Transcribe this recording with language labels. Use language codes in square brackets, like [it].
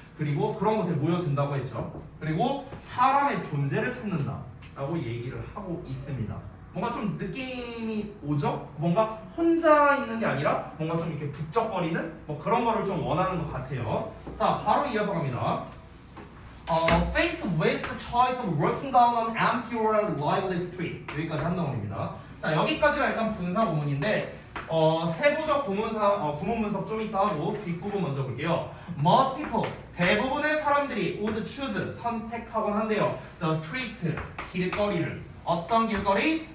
[ko] 그리고 그런 곳에 모여든다고 했죠. 그리고 사람의 존재를 찾는다라고 얘기를 하고 있습니다. 뭔가 좀 느낌이 오죠? 뭔가 혼자 있는 게 아니라 뭔가 좀 이렇게 북적거리는 뭐 그런 거를 좀 원하는 것 같아요. 자, 바로 이어서 갑니다. [en] Faced with the choice of walking down an empty or lively street. [ko] 여기까지 한 단어입니다. 자, 여기까지가 일단 분사 구문인데 세부적 구문사 구문 분석 좀 이따 하고 뒷부분 먼저 볼게요. [en] Most people, [ko] 대부분의 사람들이 [en] would choose, [ko] 선택하곤 한대요. [en] The street, [ko] 길거리를. 어떤 길거리?